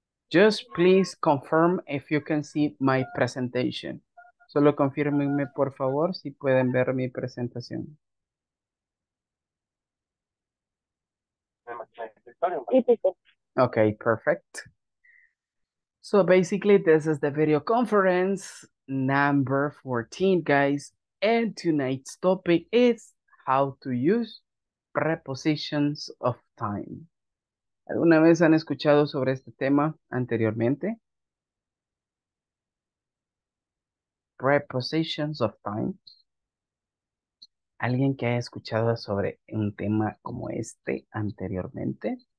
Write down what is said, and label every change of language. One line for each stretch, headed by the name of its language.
English: Just please confirm if you can see my presentation.
Spanish: Solo confírmenme, por favor, si pueden ver mi presentación.
English: Okay, perfect. So basically, this is the video conference number 14, guys. And tonight's topic is how to use prepositions of time.
Spanish: ¿Alguna vez han escuchado sobre este tema anteriormente? Prepositions of time. ¿Alguien que haya escuchado sobre un tema como este anteriormente?